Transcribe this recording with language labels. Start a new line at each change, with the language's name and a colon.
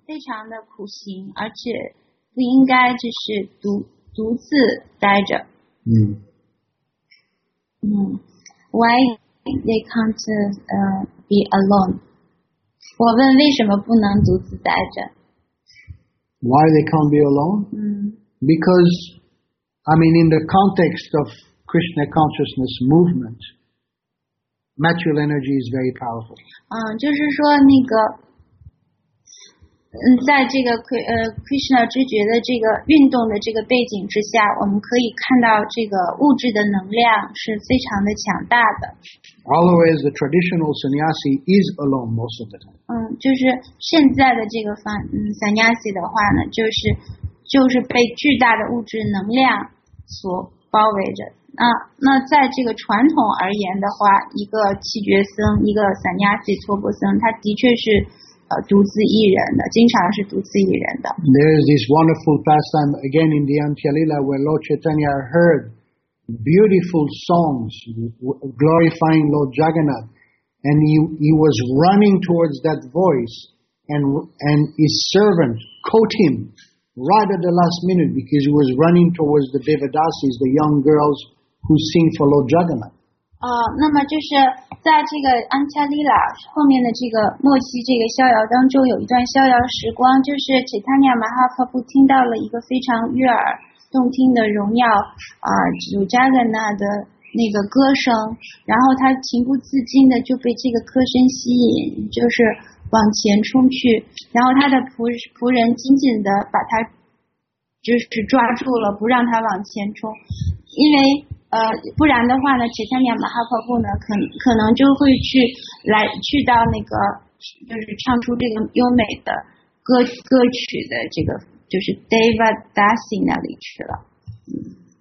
Chinese: 非常的苦行，而且不应该就是独自待着。
English: Why they can't be alone?
Chinese: 我问为什么不能独自待着？
English: Why they can't be alone? Because, I mean, in the context of Krishna consciousness movement, material energy is very powerful.
Chinese: 就是说那个，在这个Krishna 知觉的这个运动的这个背景之下，我们可以看到这个物质的能量是非常的强大的。
English: Always the traditional sannyasi is alone most of the time.
Chinese: 就是现在的这个sannyasi 的话呢，就是被巨大的物质能量所包围着。那在这个传统而言的话，一个气绝僧，一个sannyasi 托钵僧，他的确是独自一人的，经常是独自一人的。
English: There is this wonderful pastime again in the Antya Lila where Lord Chaitanya heard beautiful songs glorifying Lord Jagannath, and he was running towards that voice, and his servant caught him right at the last minute because he was running towards the Devadasis, the young girls who sing for Lord Jagannath.
Chinese: 那么就是在这个安恰丽拉后面的这个末期这个逍遥当中，有一段逍遥时光，就是齐塔尼亚马哈帕布听到了一个非常悦耳动听的荣耀，主扎格纳的那个歌声，然后他情不自禁的就被这个歌声吸引，就是往前冲去，然后他的仆人紧紧的把他就是抓住了，不让他往前冲，因为不然的话呢，Chaitanya Mahaprabhu呢可能就会去到那个就是唱出这个优美的歌曲的这个就是 Devadasi 那里去了。